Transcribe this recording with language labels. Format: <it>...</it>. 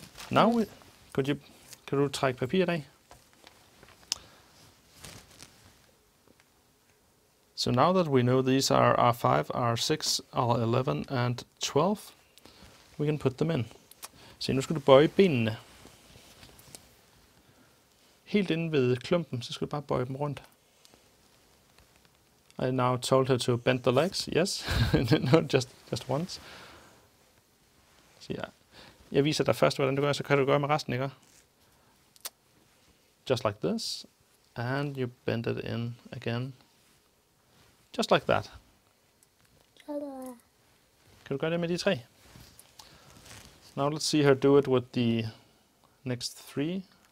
<en>Now we could you take paper today? So now that we know these are R5, R6, R11 and 12, we can put them in.</en> <da>Se, nu skal du bøje benene. Helt inde ved klumpen, så skal du bare bøje dem rundt.</da> <en>I now told her to bend the legs. Yes. No, just once.</en> <da>Så jeg viser dig først, hvordan du gør, så kan du gøre med resten, ikke?</da> <en>Just like this. And you bend it in again. Just like that.</en> <da>Kan du gøre det med de tre?</da> <en>Now let's see her do it with the next three.</en>